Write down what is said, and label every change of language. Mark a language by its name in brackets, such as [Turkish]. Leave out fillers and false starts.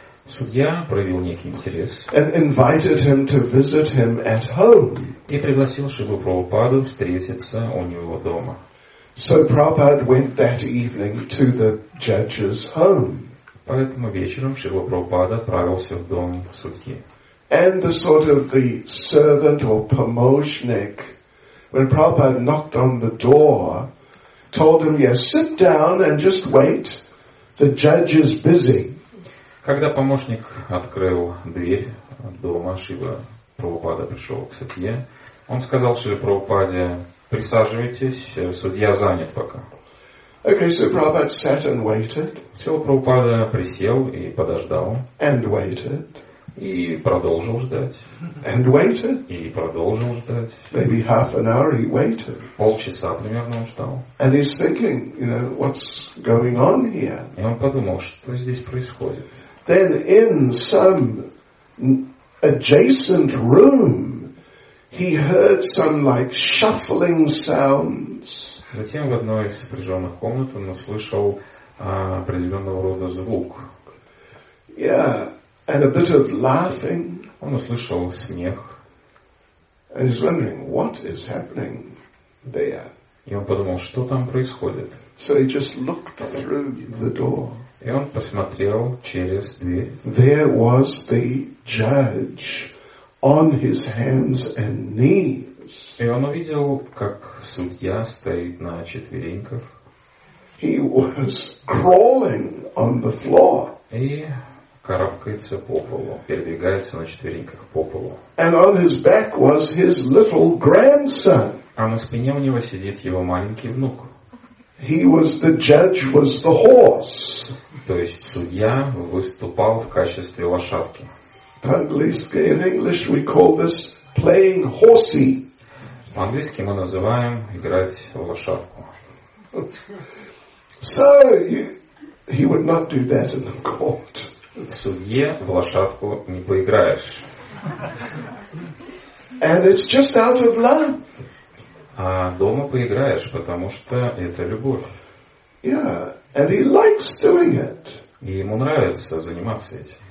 [Russian] Судья проявил некий интерес. [English] And invited him to visit him at home. [Russian] И пригласил Шрилу Прабхупаду встретиться у него дома. [English] So Prabhupada went that evening to the judge's home. [Russian] Поэтому вечером Шрила Прабхупада отправился в дом судьи. [English] And the sort of the servant or pomoshnik, when Prabhupada knocked on the door, told him, "Yes, sit down and just wait. The judge is busy." [Russian] Когда помощник открыл дверь дома Шрила Прабхупада, пришел к судье, он сказал Шриле Прабхупаде: "Присаживайтесь, судья занят пока." [English] Okay, so Prabhupada sat and waited. [Russian] Шрила Прабхупада присел и подождал. [English] And waited. [Russian] И продолжил ждать. [English] And waited. [Russian] И продолжил ждать. [English] Maybe half an hour he waited. [Russian] Полчаса примерно он ждал. [English] And he's thinking, you know, what's going on here? [Russian] И он подумал, что здесь происходит. [English] Then in some adjacent room, he heard some like shuffling sounds. [Russian] Затем в одной из сопряженных комнат он услышал определенного рода звук. [English] Yeah. And a bit of laughing. [Russian] Он услышал смех. [English] And he's wondering what is happening there. [Russian] И он подумал, что там происходит. [English] So he just looked through the door. [Russian] И он посмотрел через дверь. [English] There was the judge on his hands and knees. [Russian] И он увидел, как судья стоит на четвереньках. [English] He was crawling on the floor. [Russian] И карабкается по полу, передвигается на четвереньках по полу. [English] And on his back was his little grandson. [Russian] А на спине у него сидит его маленький внук. [English] He was the judge, was the horse. [Russian] То есть судья выступал в качестве лошадки. По-английски, [English] in English, we call this playing horsey. [Russian] По-английски мы называем играть в лошадку. [English] So he would not do that in the court. [Russian] В судье в лошадку не поиграешь. [English] And it's just out of love. [Russian] А дома поиграешь, потому что это любовь. [English] Yeah, and he likes doing it. [Russian] И ему нравится заниматься этим.